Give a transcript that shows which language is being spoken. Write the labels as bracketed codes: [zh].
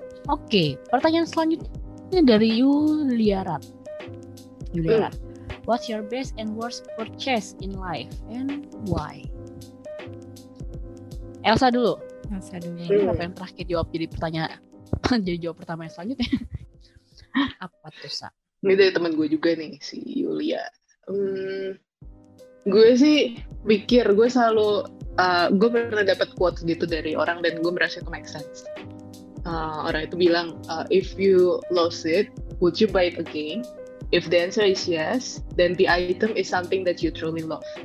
[id] Oke, pertanyaan selanjutnya dari Yuliarat. [en] Yuliarat, what's your best and worst purchase in life and why? [id] Elsa dulu. Elsa dulu. Ini apa yang terakhir jawab jadi pertanyaan, jadi jawab pertama yang selanjutnya. Apa tuh, Sa? Ini dari teman gue juga nih, si Yulia. Gue sih mikir, gue selalu, gue pernah dapat quote gitu dari orang dan gue merasa itu make sense. Orang itu bilang, [en] if you lost it, would you buy it again? If the answer is yes, then the item is something that you truly love.